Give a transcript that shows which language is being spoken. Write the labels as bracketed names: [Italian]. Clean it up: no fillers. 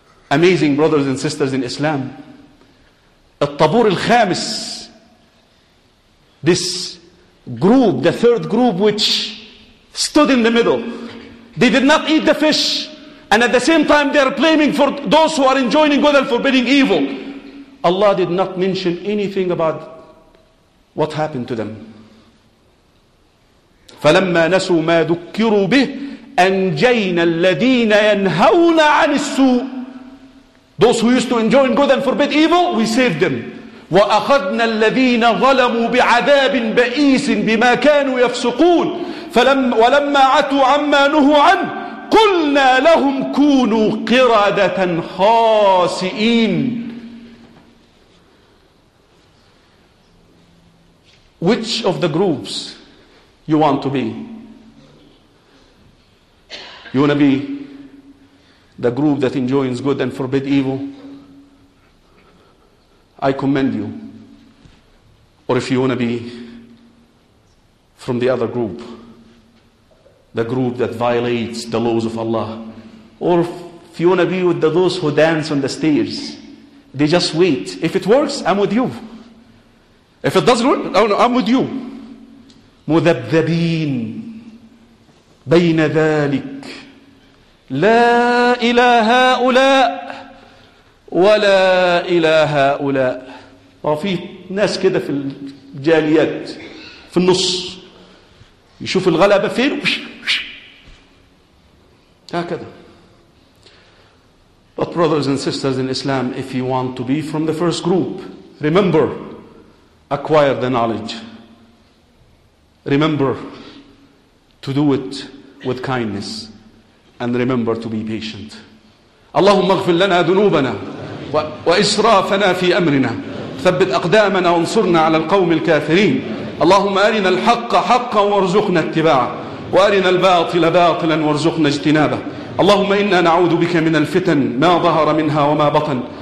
[English] Amazing brothers and sisters in Islam. [Arabic] الطابور الخامس, [English] this group, the third group which stood in the middle, they did not eat the fish, and at the same time they are blaming for those who are enjoining good and forbidding evil. Allah did not mention anything about what happened to them. [Arabic] فلما نسوا ما ذكروا به أنجينا الذين ينهون عن السوء. [English] Those who used to enjoin good and forbid evil, we saved them. [Arabic] وَأَخَذْنَا الَّذِينَ ظَلَمُوا بِعَذَابٍ بَئِيسٍ بِمَا كَانُوا يَفْسُقُونَ. وَلَمَّا عَتُوا عَمَّا نُهُوا عَنْهُ قُلْنَا لَهُمْ كُونُوا قِرَدَةً خَاسِئِينَ. [English] Which of the groups you want to be? You want to be the group that enjoins good and forbid evil? I commend you. Or if you want to be from the other group, the group that violates the laws of Allah, or if you want to be with those who dance on the stairs, they just wait. If it works, I'm with you. If it doesn't work, I'm with you. [Arabic] مذبذبين بين ذلك لا إلى هؤلاء ولا إلى هؤلاء. وفي ناس كده في الجاليات في النص يشوف الغلبة فين هكذا. [English] But brothers and sisters in Islam, if you want to be from the first group, remember, acquire the knowledge. Remember to do it with kindness. And remember to be patient. [Arabic] اللهم اغفر لنا ذنوبنا وإسرافنا في أمرنا ثبت أقدامنا وانصرنا على القوم الكافرين. اللهم أرنا الحق حقا وارزقنا اتباعه وأرنا الباطل باطلا وارزقنا اجتنابه. اللهم إنا نعوذ بك من الفتن ما ظهر منها وما بطن.